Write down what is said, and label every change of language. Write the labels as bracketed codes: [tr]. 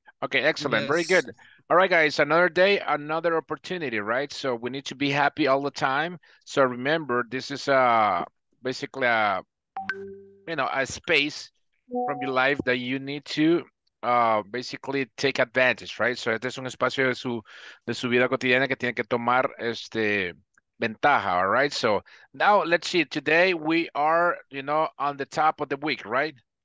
[en] Okay, excellent. Yes. Very good. All right, guys, another day, another opportunity, right? So we need to be happy all the time. So remember, this is basically a, you know, a space from your life that you need to basically take advantage, right? [es] So este es un espacio de su vida cotidiana que tiene que tomar este ventaja, [en] all right? So now let's see. Today we are, you know, on the top of the week, right?